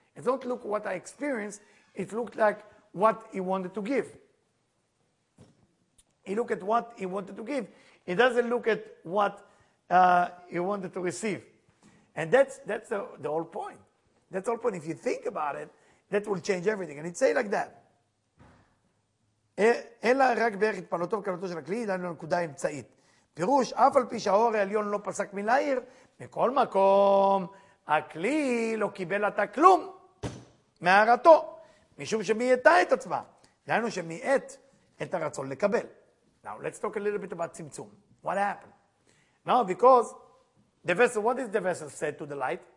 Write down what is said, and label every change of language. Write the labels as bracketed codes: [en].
[en] It don't look what I experienced. It looked like what he wanted to give. He looked at what he wanted to give. He doesn't look at what he wanted to receive. And that's the whole point. That's the whole point. If you think about it, that will change everything. And it's like that. [he] אלא רק בערך התפעלותו וקבלתו של הכלי, דיינו לנקודה אמצעית. פירוש, אף על פי שהאור העליון לא פסק מלהעיר, מכל מקום, הכלי לא קיבל עתה כלום מהערתו, משום שמייתה את עצמה. דיינו שמייתה את הרצון לקבל. [en] Now, let's talk a little bit about Tzimtzum. What happened? Now, because the vessel, what did the vessel say to the light?